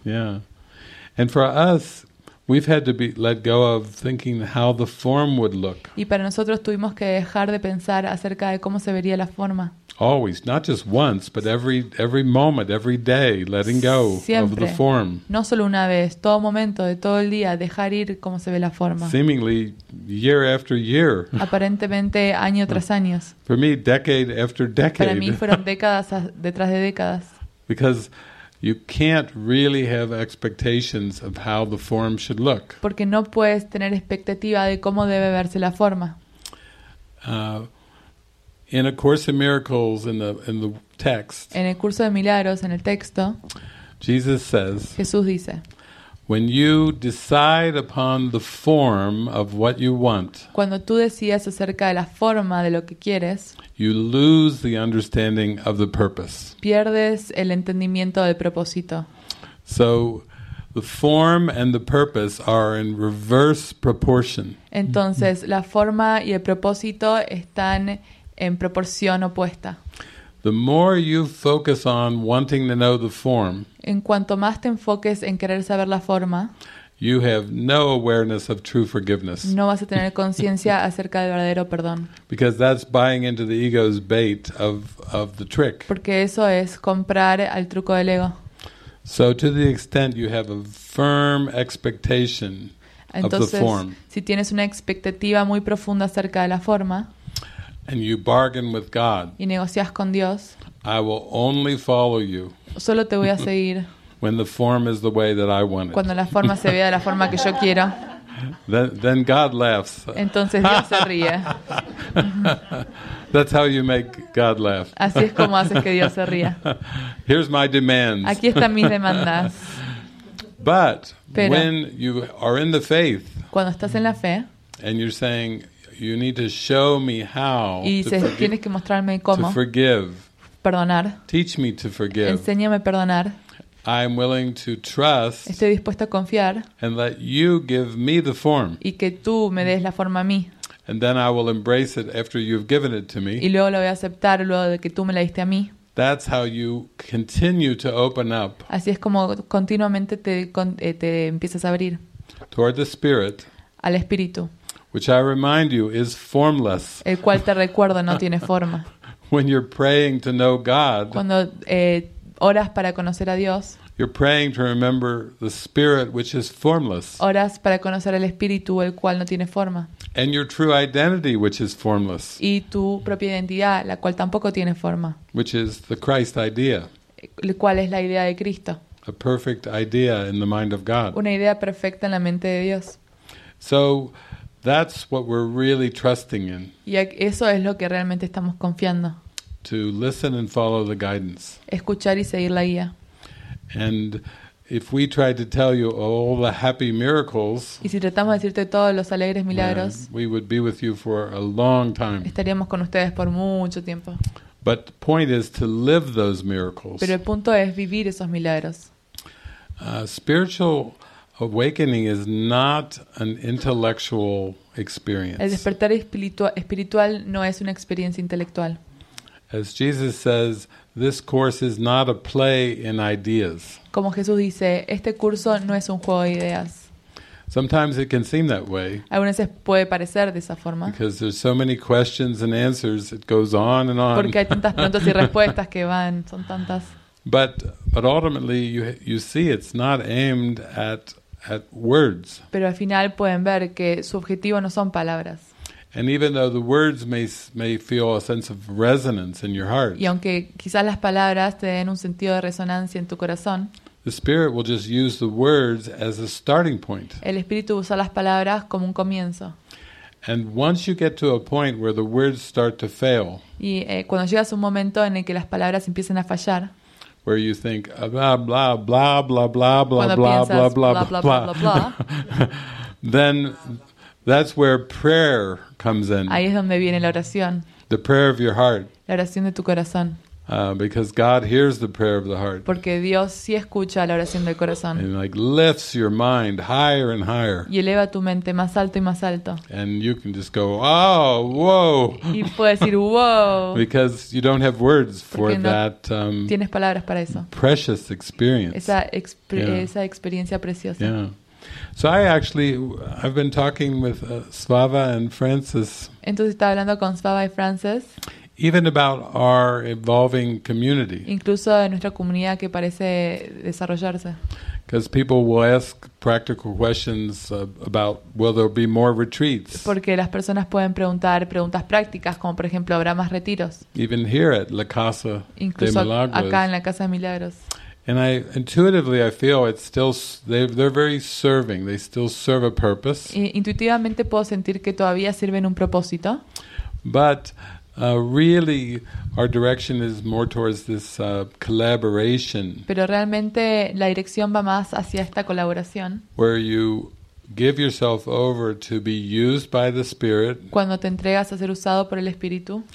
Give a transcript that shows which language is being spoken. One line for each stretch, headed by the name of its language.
English: Yeah. And for us, we've had to be let go of thinking how the form would look.
Spanish: Y para nosotros tuvimos que dejar de pensar acerca de cómo se vería la forma.
English: Always, not just once, but every moment, every day, letting go
Spanish: siempre,
English: of the form.
Spanish: No solo una vez, todo momento de todo el día, dejar ir cómo se ve la forma.
English: Seemingly, year after year.
Spanish: Aparentemente, año tras año.
English: For me, decade after decade.
Spanish: Para mí fueron décadas detrás de décadas.
English: Because you can't really have expectations of how the form should look.
Spanish: Porque no puedes tener expectativa de cómo debe verse la forma.
English: In A Course in Miracles, in the text.
Spanish: En el curso de milagros, en el texto.
English: Jesus says.
Spanish: Jesús dice.
English: When you decide upon the form of what you want.
Spanish: Cuando tú decides acerca de la forma de lo que quieres.
English: You lose the understanding of the purpose.
Spanish: Pierdes el entendimiento del propósito.
English: So, the form and the purpose are in reverse proportion.
Spanish: Entonces, la forma y el propósito están en proporción opuesta.
English: The more you focus on wanting to know the form,
Spanish: en cuanto más te enfoques en querer saber la forma,
English: you have no awareness of true forgiveness.
Spanish: No vas a tener conciencia acerca del verdadero perdón.
English: Because that's buying into the ego's bait of the trick.
Spanish: Porque eso es comprar al truco del ego.
English: So to the extent you have a firm expectation
Spanish: entonces,
English: of the form,
Spanish: si tienes una expectativa muy profunda acerca de la forma,
English: and you bargain with God.
Spanish: Y negocias con Dios.
English: I will only follow you.
Spanish: Solo te voy a seguir.
English: When the form is the way that I want it.
Spanish: Cuando la forma se vea de la forma que yo quiero.
English: Then God laughs.
Spanish: Entonces Dios se ríe.
English: That's how you make God laugh.
Spanish: Así es como haces que Dios se ría.
English: Here's my demands.
Spanish: Aquí están mis demandas.
English: But
Spanish: pero,
English: when you are in the faith.
Spanish: Cuando estás en la fe.
English: And you're saying you need to show me how.
Spanish: Y dices, tienes que mostrarme cómo.
English: To forgive.
Spanish: Perdonar.
English: Teach me to forgive.
Spanish: Enséñame a perdonar.
English: I'm willing to trust.
Spanish: Estoy dispuesto a confiar.
English: And let you give me the form.
Spanish: Y que tú me des la forma a mí.
English: And then I will embrace it after you've given it to me.
Spanish: Y luego lo voy a aceptar luego de que tú me la diste a mí.
English: That's how you continue to open up.
Spanish: Así es como continuamente te empiezas a abrir.
English: Toward the Spirit.
Spanish: Al Espíritu.
English: Which I remind you is formless.
Spanish: El cual te recuerdo no tiene forma.
English: When you're praying to know God.
Spanish: Cuando oras para conocer a Dios.
English: You're praying to remember the Spirit which is formless.
Spanish: Oras para conocer el Espíritu el cual no tiene forma.
English: And your true identity which is formless.
Spanish: Y tu propia identidad la cual tampoco tiene forma.
English: Which is the Christ idea.
Spanish: El cual es la idea de Cristo.
English: A perfect idea in the mind of God.
Spanish: Una idea perfecta en la mente de Dios.
English: So that's what we're really trusting in.
Spanish: Y eso es lo que realmente estamos confiando.
English: To listen and follow the guidance.
Spanish: Escuchar y seguir la guía.
English: And if we tried to tell you all the happy miracles,
Spanish: y si tratamos de decirte todos los alegres milagros,
English: we would be with you for a long time.
Spanish: Estaríamos con ustedes por mucho tiempo.
English: But the point is to live those miracles.
Spanish: Pero el punto es vivir esos milagros.
English: Spiritual awakening is not an intellectual experience.
Spanish: El despertar espiritual no es una experiencia intelectual.
English: As Jesus says, this course is not a play in ideas.
Spanish: Como Jesús dice, este curso no es un juego de ideas.
English: Sometimes it can seem that way.
Spanish: Algunas veces puede parecer de esa forma.
English: Because there's so many questions and answers, it goes on and on.
Spanish: Porque hay tantas preguntas y respuestas que van, son tantas.
English: But ultimately you see it's not aimed at words.
Spanish: Pero al final pueden ver que su objetivo no son palabras.
English: And even though the words may feel a sense of resonance in your heart.
Spanish: Y aunque quizás las palabras te den un sentido de resonancia en tu corazón.
English: The spirit will just use the words as a starting point.
Spanish: El espíritu usa las palabras como un comienzo.
English: And once you get to a point where the words start to fail.
Spanish: Y cuando llegas a un momento en el que las palabras empiezan a fallar.
English: Where you think blah blah blah blah blah blah blah blah blah blah blah blah. Then that's where prayer comes in.
Spanish: Ahí es donde viene la oración.
English: The prayer of your heart.
Spanish: La oración de tu corazón.
English: Because God hears the prayer of the heart.
Spanish: Porque Dios sí escucha la oración del corazón.
English: And like lifts your mind higher and higher.
Spanish: Y eleva tu mente más alto y más alto.
English: And you can just go, oh, whoa.
Spanish: Y puedes decir, whoa.
English: Because you don't have words for that.
Spanish: Tienes palabras para eso.
English: Precious experience.
Spanish: Esa experiencia preciosa.
English: Yeah. So I've been talking with Svava and Francis.
Spanish: Entonces estaba hablando con Svava y Francis.
English: Even about our evolving community.
Spanish: Incluso en nuestra comunidad que parece desarrollarse.
English: Because people will ask practical questions about will there be more retreats.
Spanish: Porque las personas pueden preguntar preguntas prácticas, como por ejemplo, ¿habrá más retiros?
English: Even here at La Casa
Spanish: Incluso de Milagros. Incluso acá en la Casa de Milagros.
English: And I intuitively I feel it's still they're very serving. They still serve a purpose.
Spanish: Y intuitivamente puedo sentir que todavía sirven un propósito.
English: But really our direction is more towards this collaboration.
Spanish: Pero realmente la dirección va más hacia esta colaboración.
English: Where you give yourself over to be used by the Spirit.
Spanish: Cuando te entregas a ser usado por el Espíritu.